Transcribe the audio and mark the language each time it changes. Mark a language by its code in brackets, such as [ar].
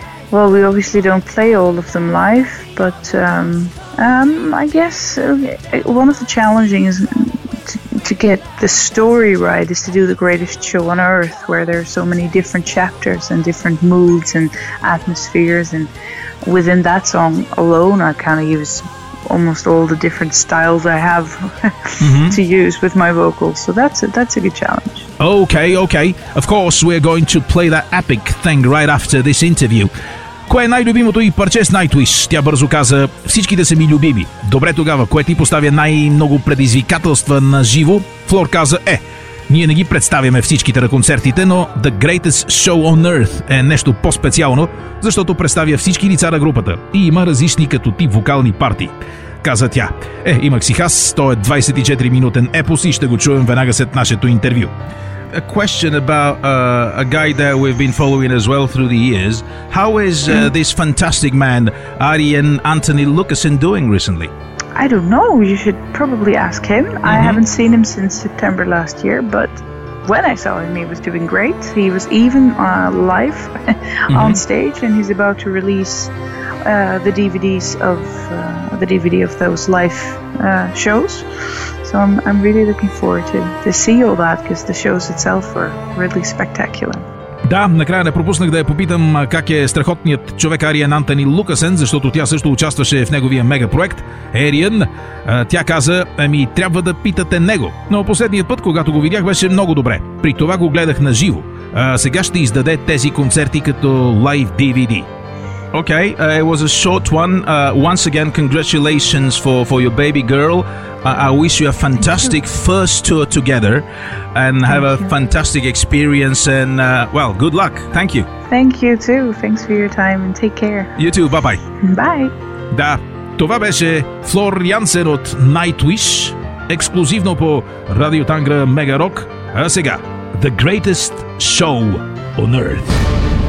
[en] Well, we obviously don't play all of them live, but I guess one of the challenging is to get the story right, is to do the greatest show on earth, where there are so many different chapters and different moods and atmospheres, and within that song alone, I kind of use almost all the different styles I have to use with my vocals. So that's a good challenge. Okay. Of course, we're going to play that epic thing right after this interview. [bg] Кое е най-любимото и парче с Nightwish? Тя бързо каза, всичките са ми любими. Добре тогава, кое ти поставя най-много предизвикателства на живо? Флор каза, ние не ги представяме всичките на концертите, но The Greatest Show on Earth е нещо по-специално, защото представя всички лица на групата и има различни като тип вокални партии. Каза тя, имах си хас, то е 24-минутен епос и ще го чуем веднага след нашето интервю. [en] A question about a guy that we've been following as well through the years. How is this fantastic man, Arjen Anthony Lucassen, doing recently? I don't know. You should probably ask him. Mm-hmm. I haven't seen him since September last year, but when I saw him, he was doing great. He was even live on stage, and he's about to release the DVD of those live shows. So I'm really looking forward to see all that, because the shows itself were really spectacular. [bg] Да, накрая не пропуснах да я попитам как е страхотният човек Ариен Антони Лукасен, защото тя също участваше в неговия мегапроект, Ариен. Тя каза, трябва да питате него. Но последният път, когато го видях, беше много добре. При това го гледах на живо. Сега ще издаде тези концерти като лайв DVD. [en] Okay, it was a short one. Once again, congratulations for your baby girl. I wish you a fantastic first tour together, and have a fantastic experience, and good luck. Thank you. Thank you too. Thanks for your time, and take care. You too. Bye-bye. Bye. [bg] Да, това беше Флор Янсен от Nightwish, ексклюзивно по Радио Тангра Мега Рок. А сега, The Greatest Show on Earth.